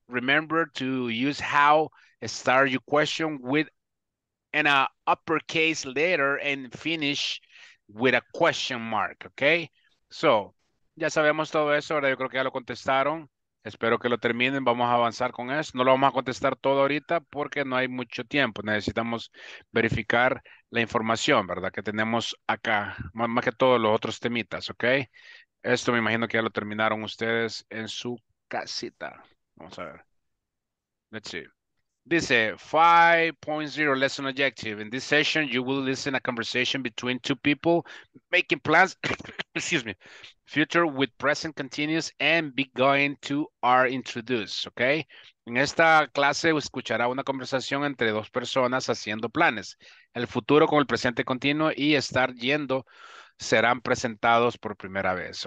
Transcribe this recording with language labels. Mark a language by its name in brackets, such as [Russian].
[English] Remember to use how, start your question with and a uppercase letter and finish with a question mark, okay? [Spanish] So, ya sabemos todo eso, ahora yo creo que ya lo contestaron. Espero que lo terminen, vamos a avanzar con eso. No lo vamos a contestar todo ahorita porque no hay mucho tiempo. Necesitamos verificar la información, ¿verdad? Que tenemos acá, más que todos los otros temitas, okay? Esto me imagino que ya lo terminaron ustedes en su casita. Vamos a ver. [English] Let's see. [Spanish] Dice 5.0 [English] lesson objective. In this session, you will listen a conversation between two people making plans, excuse me, future with present continuous and be going to are introduced. Okay. [Spanish] En esta clase escuchará una conversación entre dos personas haciendo planes. El futuro con el presente continuo y estar yendo serán presentados por primera vez.